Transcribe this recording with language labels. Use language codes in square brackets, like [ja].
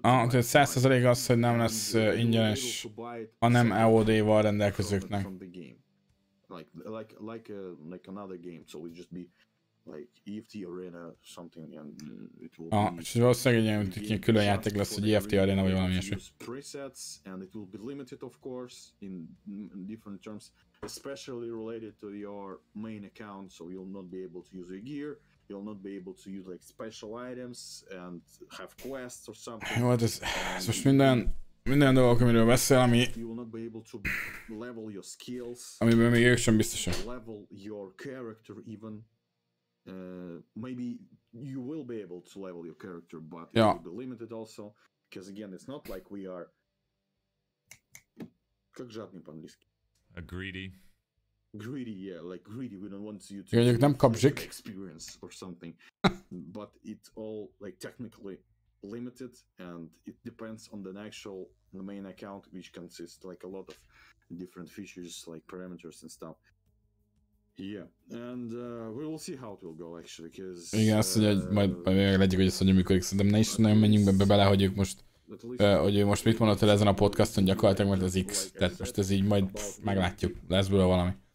[hu] Ah, tehát 100% az, hogy nem lesz ingyenes, hanem EOD-val rendelkezőknek. [en] Like another game, so it just be like EFT arena something, and it will. [hu] Ah, és valószínűleg egy ilyen külön játék lesz, hogy EFT arena vagy valami ilyesmi. [en] Presets, and it will be limited, of course, in different terms, especially related to your main account, so you'll not be able to use your gear. You'll not be able to use like special items and have quests or something. What is so [hu] minden dolgok, amiről beszél, ami [en] you will not be able to level your skills. [hu] Amiben még ők sem biztosak. [en] Level your character even maybe you will be able to level your character, but it will be limited also, because again, it's not like we are greedy, yeah, like greedy. We don't want you to experience or something, but it's all like technically limited, and it depends on the actual the main account, which consists like a lot of different features like parameters and stuff. Yeah, and we will see how it will go actually, because [hu] igen, azt mondja, hogy majd meglátjuk, hogy ez hogy működik. Szerintem ne is nagyon menjünk be bele, hogy ők most hogy ő most mit mondott el ezen a podcaston gyakorlatilag, mert az X, tehát most ez így majd meglátjuk, lesz belőle valami.